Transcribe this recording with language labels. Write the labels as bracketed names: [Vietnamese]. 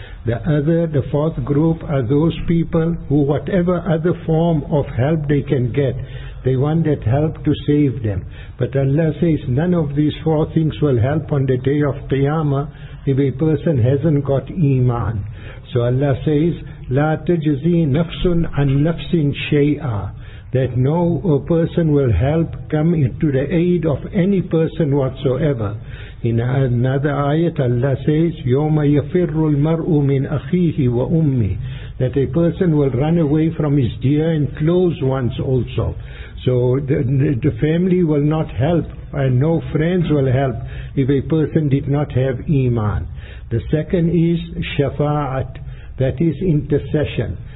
[English] The fourth group are those people who whatever other form of help they can get, they want that help to save them. But Allah says none of these four things will help on the day of Qiyamah if a person hasn't got iman. [Arabic] So Allah says, لَا تَجْزِي نَفْسٌ عَنْ نَفْسٍ شَيْئًا. [English] That no person will help come into the aid of any person whatsoever. [Arabic] In another ayat, Allah says, يَوْمَ يَفِرُّ الْمَرْءُ مِنْ أَخِيهِ وَأُمِّهِ. [English] That a person will run away from his dear and close ones also. So the family will not help and no friends will help if a person did not have iman. The second is shafa'at, that is intercession.